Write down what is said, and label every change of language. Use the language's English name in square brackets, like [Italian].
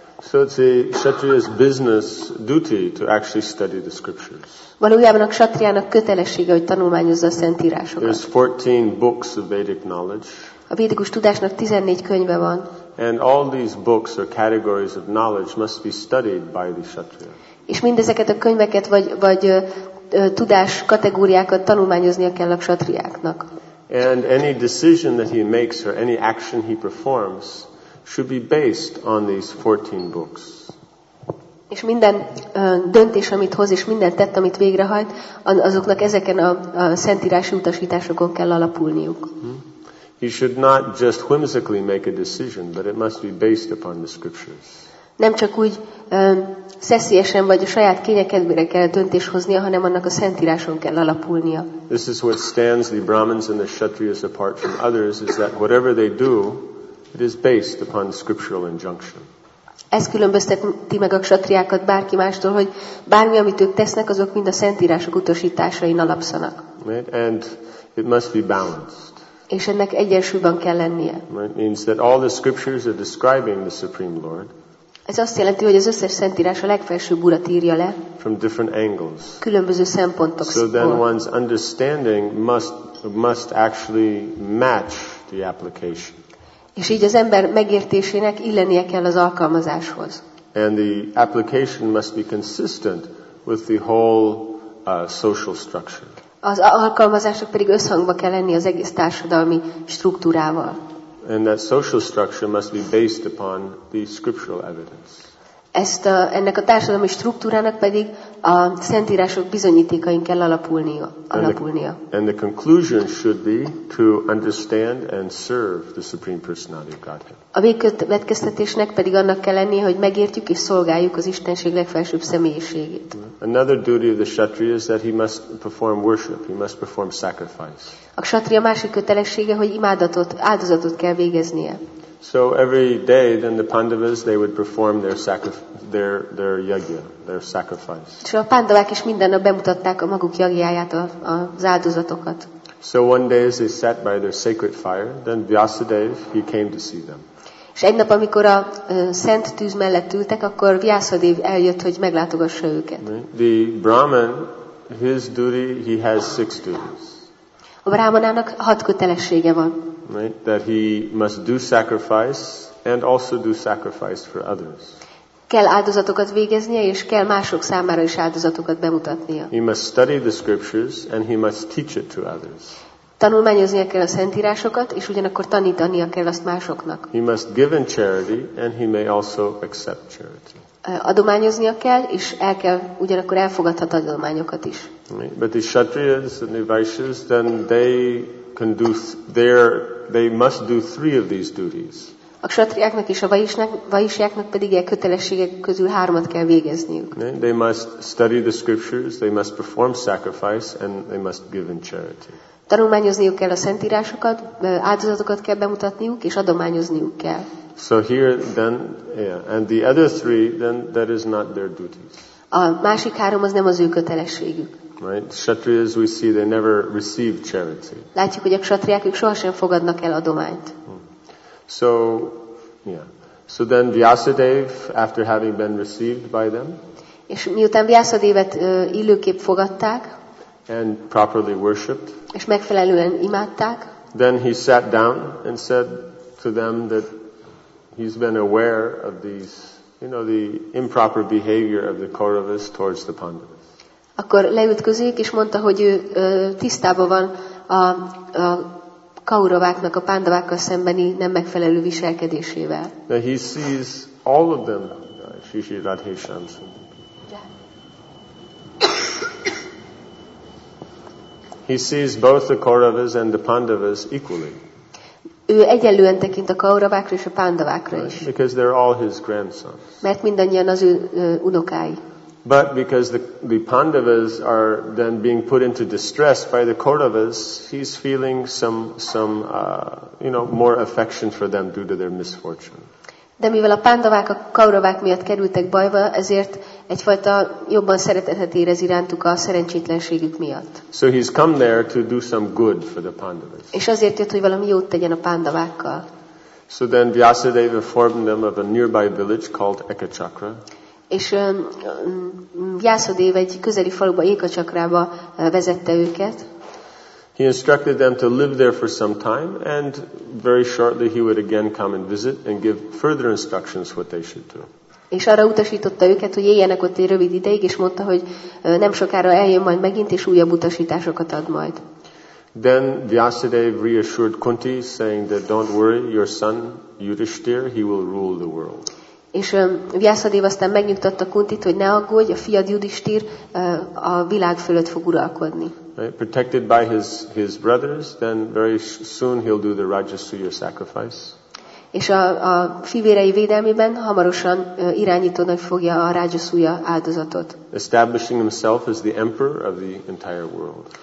[English] So it's a kshatriya's business duty to actually study the scriptures. [Hungarian] Valójában a kshatriának kötelessége, hogy tanulmányozza a szentírásokat. [English] There's 14 books of Vedic knowledge. [Hungarian] A védikus tudásnak 14 könyve van. [English] And all these books or categories of knowledge must be studied by the kshatriya. [Hungarian] És mindezeket a könyveket vagy tudás kategóriákat tanulmányoznia kell a kshatriáknak. [English] And any decision that he makes or any action he performs should be based on these 14 books. [Hungarian] És minden döntés, amit hoz, és minden tett, amit végrehajt, azoknak ezeken a szentírási utasításokon kell alapulniuk. [English] He should not just whimsically make a decision, but it must be based upon the scriptures. [Hungarian] Nem csak úgy szeszélyesen vagy a saját kényekedvére kell döntés hoznia, hanem annak a szentíráson kell alapulnia. [English] This is what stands the Brahmins and the Kshatriyas apart from others, is that whatever they do, it is based upon scriptural injunction. [Hungarian] Ez különbözteti meg a kshatriákat bárki mástól, hogy bármi, amit ők tesznek, azok mind a szentírások utasításain alapszanak. [English] Right? And it must be balanced. [Hungarian] És ennek egyensúlyban kell lennie. [English] Right? Means that all the scriptures are describing the Supreme Lord. [Hungarian] Ez azt jelenti, hogy az összes szentírás a legfelsőbb urat írja le. [English] From different angles. [Hungarian] Különböző szempontok. [English] So then one's understanding must actually match the application. [Hungarian] És így az ember megértésének illenie kell az alkalmazáshoz. [English] And the application must be consistent with the whole social structure. [Hungarian] Az alkalmazásnak pedig összhangba kell lenni az egész társadalmi struktúrával. [English] And that social structure must be based upon the scriptural evidence. [Hungarian] Ennek a társadalmi struktúrának pedig a szentírások bizonyítékain kell alapulnia. [English] And the conclusion should be to understand and serve the Supreme Personality of Godhead. [Hungarian] A végkövetkeztetésnek pedig annak kell lennie, hogy megértjük és szolgáljuk az Istenség legfelsőbb személyiségét. [English] Another duty of the kshatriya is that he must perform worship, he must perform sacrifice. [Hungarian] A kshatriya másik kötelessége, hogy imádatot, áldozatot kell végeznie. [English] So every day then the Pandavas they would perform their yagya, their sacrifice. [Hungarian] És a Pandavák is minden nap bemutatták a maguk yagyáját, az áldozatokat. [English] So one day as they sat by their sacred fire, then Vyasadev, he came to see them. [Hungarian] És egy nap, amikor a szent tűz mellett ültek, akkor Vyasadev eljött, hogy meglátogassa őket. [English] The Brahman, his duty, he has 6 duties. [Hungarian] A Brahmanának 6 kötelessége van. [English] Right? That he must do sacrifice and also do sacrifice for others. [Hungarian] Kell áldozatokat végeznie és kell mások számára is áldozatokat bemutatnia. [English] He must study the scriptures and he must teach it to others. [Hungarian] Tanulmányoznia kell a szentírásokat, és ugyanakkor tanítania kell azt másoknak. [English] He must give in charity, and he may also accept charity. [Hungarian] Adományoznia kell, és el kell ugyanakkor elfogadhat adományokat is. [English] But the kshatriyas and the vaishyas, then they can do they must do three of these duties. [Hungarian] A kshatriáknak és a vaishyáknak pedig ilyen kötelességek közül hármat kell végezniük. [English] They must study the scriptures, they must perform sacrifice, and they must give in charity. [Hungarian] Tanulmányozniuk kell a szentírásokat, áldozatokat kell bemutatniuk, és adományozniuk kell. [English] So here then, and the other three, then that is not their duties. [Hungarian] A másik három az nem az ő kötelességük. [English] Right? Kshatriyas, we see, they never receive charity. [Hungarian] Látjuk, hogy a kshatriák, ők sohasem fogadnak el adományt. [English] So, So then Vyasadev, after having been received by them, [Hungarian] és miután Vyasadevet illőképp fogadták, and properly worshipped, és megfelelően imádták, [English] then he sat down and said to them that he's been aware of these, the improper behavior of the Kauravas towards the Pandavas. [Hungarian] Akkor leült közéjük, és mondta, hogy ő tisztában van a Kauravaknak, a Pandavákkal szembeni nem megfelelő viselkedésével. [English] Now he sees all of them, Shishi Radhe Shamsun. He sees both the Kauravas and the Pandavas equally. [Hungarian] Ő egyenlően tekint a Kauravákra és a Pandavákra is. [English] Because they're all his grandsons. [Hungarian] Mert mindannyian az ő unokái. [English] But because the Pandavas are then being put into distress by the Kauravas, he's feeling some more affection for them due to their misfortune. [Hungarian] De mivel a Pandavák a Kauravák miatt kerültek bajba, ezért egyfajta jobban szeretetet érez irántuk a szerencsétlenségük miatt. [English] So he's come there to do some good for the Pandavas. [Hungarian] És azért jött, hogy valami jót tegyen a Pandavákkal. [English] So then Vyasadeva informed them of a nearby village called Ekachakra. [Hungarian] És Vyasadeva egy közeli faluba, Ekachakrába vezette őket. [English] He instructed them to live there for some time, and very shortly he would again come and visit and give further instructions what they should do. [Hungarian] És arra utasította őket, hogy éljenek ott egy rövid ideig, és mondta, hogy nem sokára eljön majd megint, és újabb utasításokat ad majd. [English] Then Vyasadeva reassured Kunti, saying that don't worry, your son Yudhishthira, he will rule the world. [Hungarian] És Vyasadeva aztán megnyugtatta Kuntit, hogy ne aggódj, a fiad Yudhishthira a világ fölött fog uralkodni. [English] Right, protected by his brothers, then very soon he'll do the Rajasuya sacrifice. [Hungarian] És a fivérei védelmében hamarosan irányítónak fogja a Rajasuya áldozatot. [English] Establishing himself as the emperor of the entire world.